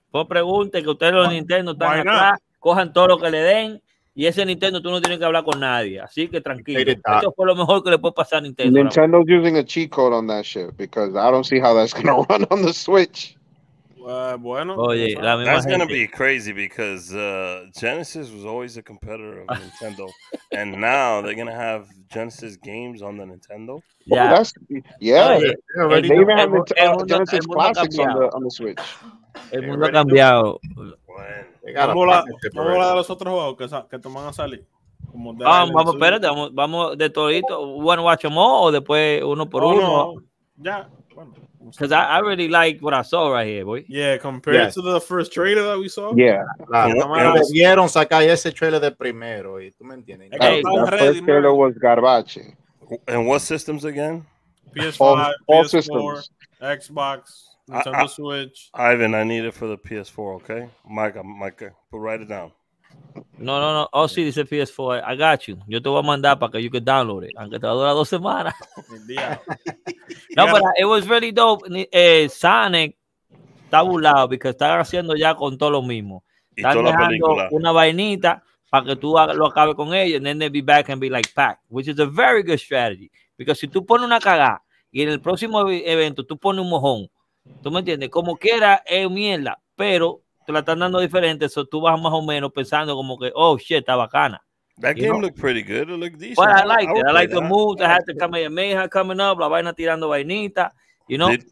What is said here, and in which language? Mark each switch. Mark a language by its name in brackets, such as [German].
[Spanish] Pues pregunte que ustedes los Nintendo están acá, cojan todo lo que le den y ese Nintendo tú no tienes que hablar con nadie, así que tranquilo. Eso fue lo mejor que le puede pasar a Nintendo. [English] Nintendo's using a cheat code on that shit because I don't see how that's gonna run on the Switch. [Spanish] Bueno. Oye, la misma [English] that's [Spanish] gente. [English] Gonna be crazy because Genesis was always a competitor of Nintendo and now they're gonna have Genesis games on the Nintendo. Yeah, oh, that's, yeah. Oye, they even have Genesis classics on the Switch. [Spanish] El mundo ha cambiado. Vamos a hablar de los otros juegos que te van a salir. Como vamos, vamos, espérate, vamos de todito. [English] One watch them all, [Spanish] o después uno por uno. No. Ya, bueno. [English] Because I really like what I saw right here, boy. Yeah, compared to the first trailer that we saw. Yeah. [Spanish] Claro. Yeah. Vieron sacar ese trailer de primero, y tú me entiendes. [English] Hey, the first trailer was garbage. And what systems again? PS5, all PS4, Xbox. Switch. Ivan, I need it for the PS4, okay? Micah, but write it down. [Spanish] No. Oh, sí, dice PS4. [English] I got you. [Spanish] Yo te voy a mandar para que [English] you can download it. [Spanish] Aunque te va a durar dos semanas. No, yeah. [English] But it was really dope. [Spanish] Sonic está burlado because está haciendo ya con todo lo mismo. Están dejando una vainita para que tú lo acabes con ella [English] and then they'll be back and be like packed, [Spanish] which is a very good strategy. Because si tú pones una cagada y en el próximo evento tú pones un mojón, tú me entiendes, como quiera es mierda, pero te la están dando diferente, so tú vas más o menos pensando como que, [English] oh shit, [Spanish] está bacana. [English] That game looked pretty good, it looked decent. But I liked it, I liked the moves, I had to come in, Mayhem coming up, [Spanish] la vaina tirando vainita, [English] you know.